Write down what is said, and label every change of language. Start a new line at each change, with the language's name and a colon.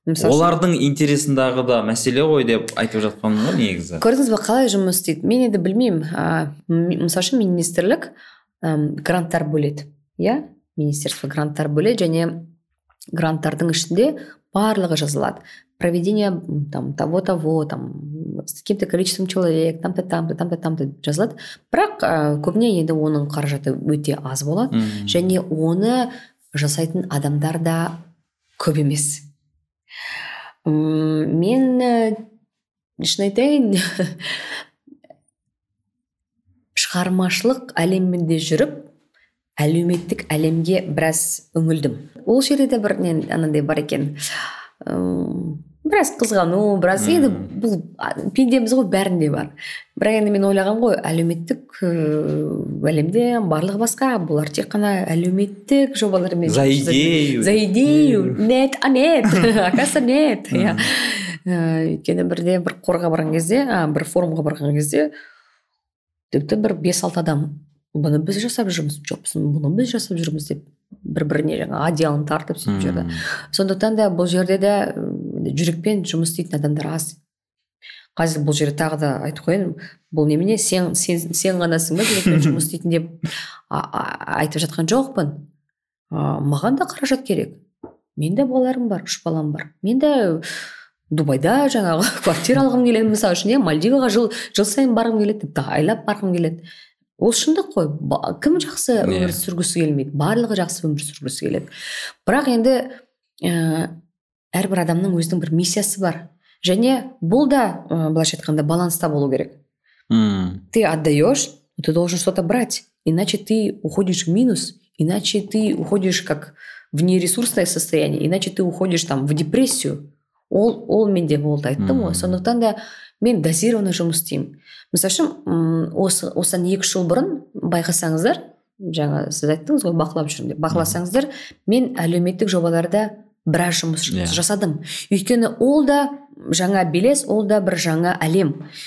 Kazakh: Олардың интересіндағы да мәселе ғой деп айтып жатқаным ғой негізі. Көрдіңіз ба, қалай жұмыс істейді? Мен енді білмеймін, мысалы министрлік гранттар бөледі, министерство гранттар бөледі, және гранттардың ішінде барлығы жазылады.
Russian: Проведение того-того, с таким-то количеством человек, там-то жазылады.
Kazakh: Бірақ көбіне енді оның қаражаты өте аз болады, және оны жасайтын адамдар да көп емес. Мен үшін айтайын, шығармашылық әлемінде жүріп, әлеуметтік әлемге біраз үңілдім. Ол жерде де бір анандай бар екен. Біраз қызғану, біраз енді бұл пендеміз ғой, бәрінде бар. Бірақ енді мен ойлаған ғой, әлеуметтік әлемде барлығы басқа, бұлар тек қана әлеуметтік жобалармен.
Russian: За идею. За идею. Нет, а нет. Оказывается, нет.
Kazakh: Өйткені бірде бір қорға барған кезде, бір форумға барған кезде, тіпті бір 5-6 адам, бұны біз жасап жүрміз, жоқсын, бұны біз жасап жүрміз деп, бір-біріне жаңа адиалын тартып сөйтіп жүрді. Сондықтан да бұл жерде де жүрекпен жұмыс істейтін адамдар аз. Қазір бұл жерде тағы да айтып қояйын, бұл немене сен ғанасың ба жүрекпен жұмыс істейтін деп айтып жатқан жоқпын. Маған да қаражат керек. Мен де балаларым бар, үш балам бар. Мен де Дубайда жаңағы квартира алғым келеді, мысалы үшін, Мальдиваға жыл сайын барғым келеді, тіпті айлап барғым келеді. Ол шындық қой, кім жақсы өмір сүргісі келмейді, барлығы жақсы өмір сүргісі келеді. Бірақ енді әрбір адамның өзінің бір миссиясы бар. Және бұл да, былайша айтқанда, баланста болу керек.
Russian: Ты отдаешь, ты должен что-то брать, иначе ты уходишь в минус, иначе ты уходишь как в нересурсное состояние, иначе ты уходишь там в депрессию.
Kazakh: Ол менде болды, айттым ғой. Сондықтан да мен дозированно жұмыс істеймін. Мысалы үшін, осыдан 2 жыл бұрын байқасаңыздар, жаңа сіз айттыңыз ғой, бақылап жүрмін деп. Бақыласаңыздар, мен әлеуметтік жобаларда біраз жұмыс жасадым. Өйткені ол да жаңа белес, ол да бір жаңа әлем.